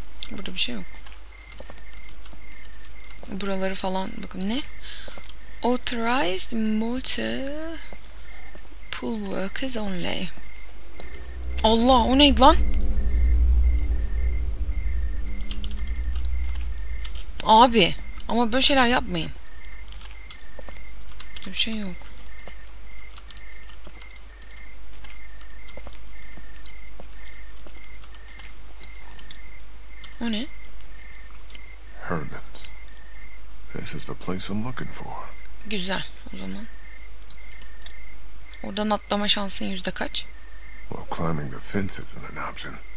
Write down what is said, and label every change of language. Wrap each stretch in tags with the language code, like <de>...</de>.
<tr>Burada bir şey yok. Buraları falan bakın ne?</tr> <en>Authorized motor pool workers only.</en> <tr>Allah, o neydi lan? Abi, ama böyle şeyler yapmayın. Burada bir şey yok. O ne? Hermans.</tr> <en>This is the place I'm looking for.</en> <tr>Güzel, o zaman. Oradan atlama şansın yüzde kaç?</tr> <en>Well, climbing the fence isn't an option.</en>